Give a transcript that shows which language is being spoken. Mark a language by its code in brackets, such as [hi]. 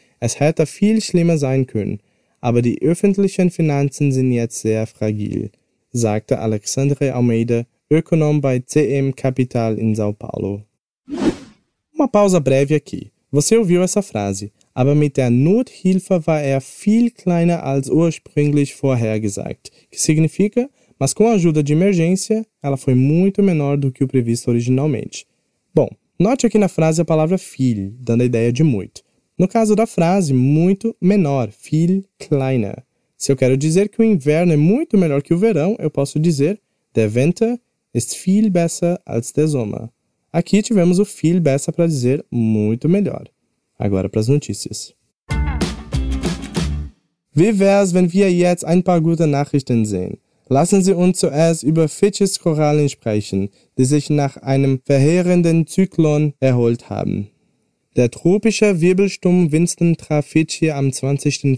[de] Es hätte viel schlimmer sein können, aber die öffentlichen Finanzen sind jetzt sehr fragil, sagte Alexandre Almeida, Ökonom bei CM Capital in São Paulo. [pt] Uma pausa breve aqui. Você ouviu essa frase? [de] Aber mit der Nothilfe war er viel kleiner als ursprünglich vorhergesagt. [pt] Que significa? Mas com a ajuda de emergência, ela foi muito menor do que o previsto originalmente. Bom, note aqui na frase a palavra viel, dando a ideia de muito. No caso da frase, muito menor, [de] viel kleiner. [pt] Se eu quero dizer que o inverno é muito melhor que o verão, eu posso dizer [de] der Winter ist viel besser als der Sommer. [pt] Aqui tivemos o [de] viel besser [pt] para dizer muito melhor. Agora para as notícias. [de] Wie wär's, wenn wir jetzt ein paar gute Nachrichten sehen? Lassen Sie uns zuerst über Fitches Korallen sprechen, die sich nach einem verheerenden Zyklon erholt haben. Der tropische Wirbelsturm Winston traf Fidschi am 20.